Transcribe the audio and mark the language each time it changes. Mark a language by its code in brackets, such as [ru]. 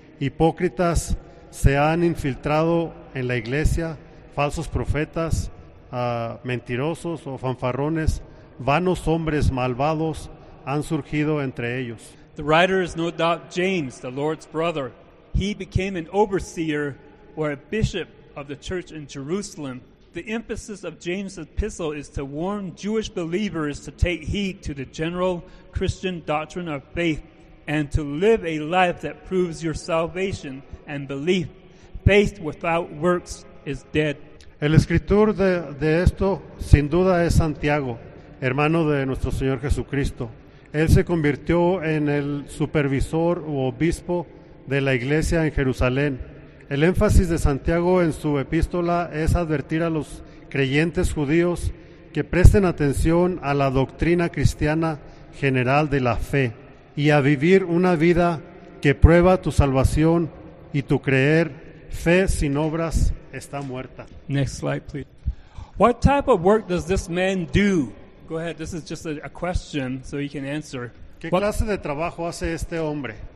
[es] Hipócritas se han infiltrado en la iglesia, falsos profetas, mentirosos o fanfarrones, vanos hombres malvados han surgido entre ellos. [en] The writer is no doubt James, the Lord's brother. He became an overseer or a bishop of the church in Jerusalem. The emphasis of James' epistle is to warn Jewish believers to take heed to the general Christian doctrine of faith and to live a life that proves your salvation and belief. Faith without works is dead. [es] El escritor de esto, sin duda, es Santiago, hermano de nuestro Señor Jesucristo. Él se convirtió en el supervisor u obispo de la iglesia en Jerusalén. El énfasis de Santiago en su epístola es advertir a los creyentes judíos que presten atención a la doctrina cristiana general de la fe y a vivir una vida que prueba tu salvación y tu creer. Fe sin obras está muerta. [en] Next slide, please. What type of work does this man do? Go ahead, this is just a question so you can answer. [es] ¿Qué clase de trabajo hace este hombre?